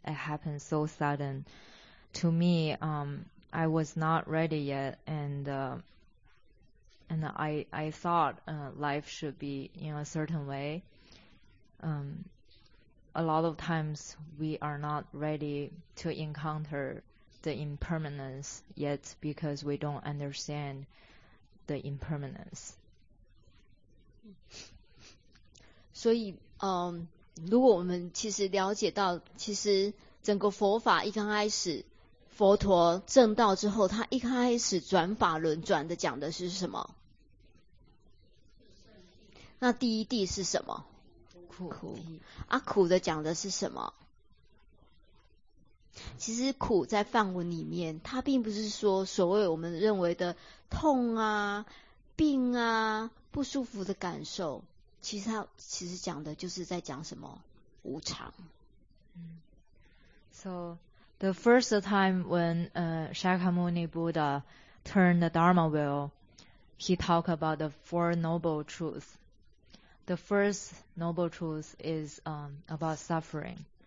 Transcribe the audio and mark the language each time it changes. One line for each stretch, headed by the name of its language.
English: It happened so sudden. To me, I was not ready yet, and I thought life should be in a certain way. A lot of times we are not ready to encounter the impermanence yet because we don't understand the impermanence.
Chinese: 所以如果我们其实了解到其实整个佛法一刚开始佛陀证道之后他一开始转法轮转的讲的是什么，那第一谛是什么？苦啊，苦的讲的是什么？其实苦在梵文里面，它并不是说所谓我们认为的痛啊、病啊、不舒服的感受，其实它其实讲的就是在讲什么无常。
English: So the first time when Shakyamuni Buddha turned the Dharma wheel, he talked about the Four Noble Truths. The first noble truth is about suffering.